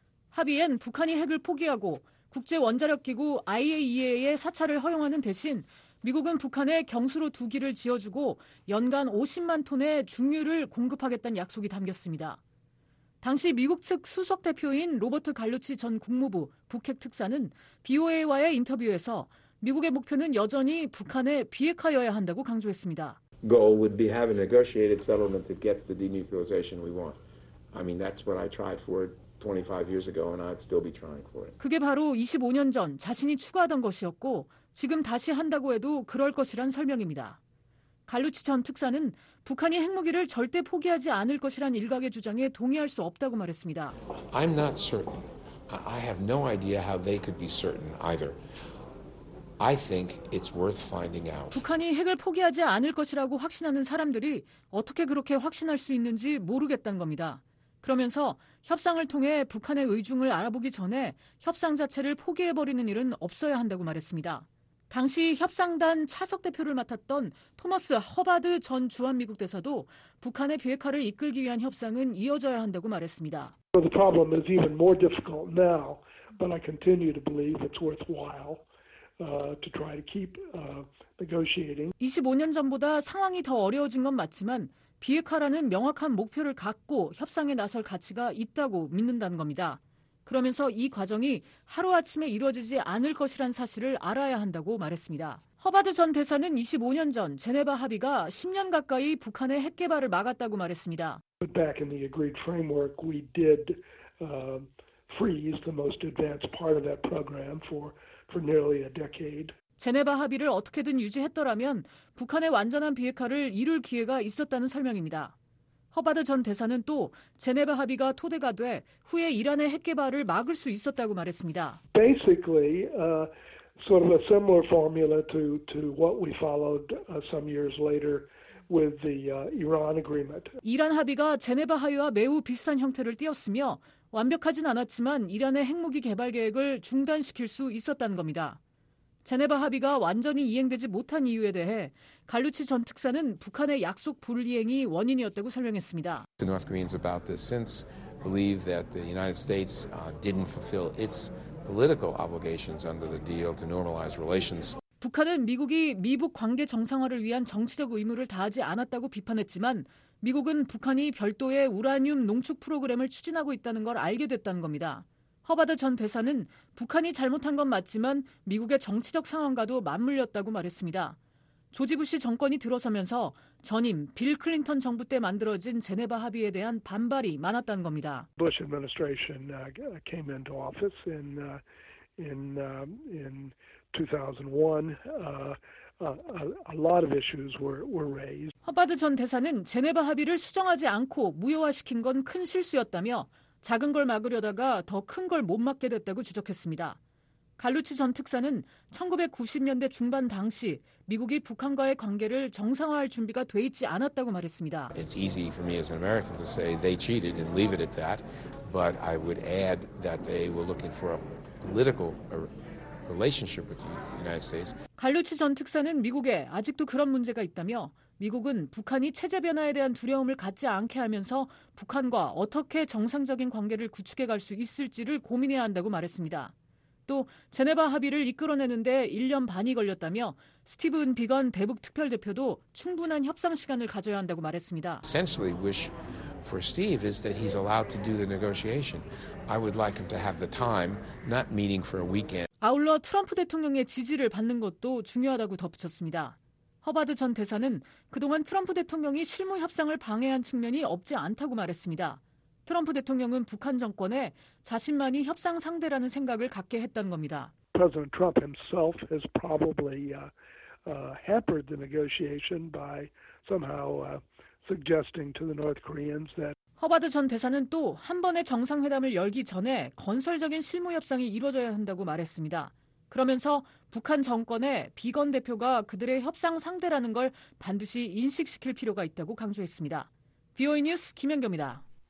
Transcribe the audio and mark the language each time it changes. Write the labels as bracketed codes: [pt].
[ko] 합의엔 북한이 핵을 포기하고 국제원자력기구 IAEA의 사찰을 허용하는 대신 미국은 북한에 경수로 두 기를 지어주고 연간 50만 톤의 중유를 공급하겠다는 약속이 담겼습니다. 당시 미국 측 수석 대표인 로버트 갈루치 전 국무부 북핵 특사는 BOA와의 인터뷰에서 미국의 목표는 여전히 북한의 비핵화여야 한다고 강조했습니다. [en] Goal would be having a negotiated settlement that gets the denuclearization we want. I mean that's what I tried for 25 years ago and I'd still be trying for it. [ko] 그게 바로 25년 전 자신이 추구하던 것이었고 지금 다시 한다고 해도 그럴 것이란 설명입니다. 갈루치 전 특사는 북한이 핵무기를 절대 포기하지 않을 것이란 일각의 주장에 동의할 수 없다고 말했습니다. [en] I'm not certain. I have no idea how they could be certain either. I think it's worth finding out. [ko] 북한이 핵을 포기하지 않을 것이라고 확신하는 사람들이 어떻게 그렇게 확신할 수 있는지 모르겠다는 겁니다. 그러면서 협상을 통해 북한의 의중을 알아보기 전에 협상 자체를 포기해버리는 일은 없어야 한다고 말했습니다. 당시 협상단 차석 대표를 맡았던 토머스 허바드 전 주한미국 대사도 북한의 비핵화를 이끌기 위한 협상은 이어져야 한다고 말했습니다. [en] The problem is even more difficult now, but I continue to believe it's worthwhile to try to keep negotiating. [ko] 25년 전보다 상황이 더 어려워진 건 맞지만 비핵화라는 명확한 목표를 갖고 협상에 나설 가치가 있다고 믿는다는 겁니다. 그러면서 이 과정이 하루아침에 이루어지지 않을 것이란 사실을 알아야 한다고 말했습니다. 허바드 전 대사는 25년 전 제네바 합의가 10년 가까이 북한의 핵 개발을 막았다고 말했습니다. [en] Back in the agreed framework, we did freeze the most advanced part of that program for nearly a decade. [ko] 제네바 합의를 어떻게든 유지했더라면 북한의 완전한 비핵화를 이룰 기회가 있었다는 설명입니다. 허바드 전 대사는 또 제네바 합의가 토대가 돼 후에 이란의 핵 개발을 막을 수 있었다고 말했습니다. [en] Basically, sort of a similar formula to what we followed some years later with the Iran agreement. [ko] 이란 합의가 제네바 합의와 매우 비슷한 형태를 띄었으며 완벽하진 않았지만 이란의 핵무기 개발 계획을 중단시킬 수 있었다는 겁니다. 제네바 합의가 완전히 이행되지 못한 이유에 대해 갈루치 전 특사는 북한의 약속 불이행이 원인이었다고 설명했습니다. [en] The North Koreans about this since believe that the United States didn't fulfill its political obligations under the deal to normalize relations. [ko] 북한은 미국이 미북 관계 정상화를 위한 정치적 의무를 다하지 않았다고 비판했지만 미국은 북한이 별도의 우라늄 농축 프로그램을 추진하고 있다는 걸 알게 됐다는 겁니다. 허바드 전 대사는 북한이 잘못한 건 맞지만 미국의 정치적 상황과도 맞물렸다고 말했습니다. 조지 부시 정권이 들어서면서 전임 빌 클린턴 정부 때 만들어진 제네바 합의에 대한 반발이 많았다는 겁니다. [en] Bush administration came into office in 2001. A lot of issues were raised. [ko] 허바드 전 대사는 제네바 합의를 수정하지 않고 무효화시킨 건 큰 실수였다며 작은 걸 막으려다가 더 큰 걸 못 막게 됐다고 지적했습니다. 갈루치 전 특사는 1990년대 중반 당시 미국이 북한과의 관계를 정상화할 준비가 돼 있지 않았다고 말했습니다. [en] It's easy for me as an American to say they cheated and leave it at that, but I would add that they were looking for a political relationship with the United States. [ko] 갈루치 전 특사는 미국에 아직도 그런 문제가 있다며 미국은 북한이 체제 변화에 대한 두려움을 갖지 않게 하면서 북한과 어떻게 정상적인 관계를 구축해 갈 수 있을지를 고민해야 한다고 말했습니다. 또 제네바 합의를 이끌어내는데 1년 반이 걸렸다며 스티븐 비건 대북 특별대표도 충분한 협상 시간을 가져야 한다고 말했습니다. [en] Essentially, wish for Steve is that he's allowed to do the negotiation. I would like him to have the time, not meeting for a weekend. [ko] 아울러 트럼프 대통령의 지지를 받는 것도 중요하다고 덧붙였습니다. 허바드 전 대사는 그동안 트럼프 대통령이 실무 협상을 방해한 측면이 없지 않다고 말했습니다. 트럼프 대통령은 북한 정권에 자신만이 협상 상대라는 생각을 갖게 했다는 겁니다. [en] President Trump himself has probably hampered the negotiation by somehow suggesting to the North Koreans that [ko] 허바드 전 대사는 또 한 번의 정상회담을 열기 전에 건설적인 실무 협상이 이루어져야 한다고 말했습니다. 그러면서 북한 정권에 비건 대표가 그들의 협상 상대라는 걸 반드시 인식시킬 필요가 있다고 강조했습니다. VOA 뉴스 김연경입니다.